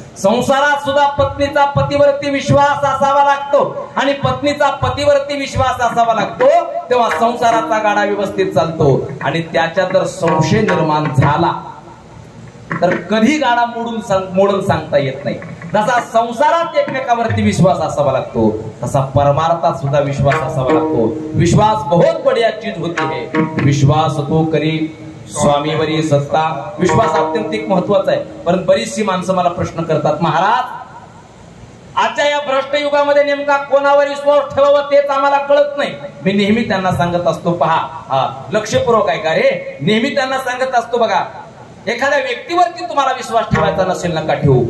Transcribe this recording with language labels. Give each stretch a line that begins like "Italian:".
Marathi: संसारात सुद्धा पत्नीचा पतीवरती विश्वास असावा लागतो आणि पत्नीचा पतीवरती विश्वास असावा लागतो तेव्हा संसाराचा गाडा व्यवस्थित चालतो आणि त्याच्या जर संशय निर्माण झाला तर कधी गाडा मोडून सांगता येत नाही. जसा संसारात एकमेकावरती विश्वास असावा लागतो तसा परमार्थात सुद्धा विश्वास असावा लागतो.
Hindi: विश्वास बहुत बढिया चीज होती है.
Marathi: विश्वास तो करी स्वामीवरी सत्ता. विश्वास अत्यंत एक महत्वाचा आहे. पण बरीचशी माणसं मला प्रश्न करतात महाराज आजच्या या भ्रष्ट युगामध्ये नेमका कोणावर विश्वास ठेवावा तेच आम्हाला कळत नाही. मी नेहमी त्यांना सांगत असतो पहा लक्षपूर्वक ऐका रे. नेहमी त्यांना सांगत असतो बघा एखाद्या व्यक्तीवरती तुम्हाला विश्वास ठेवायचा नसेल नका ठेवू.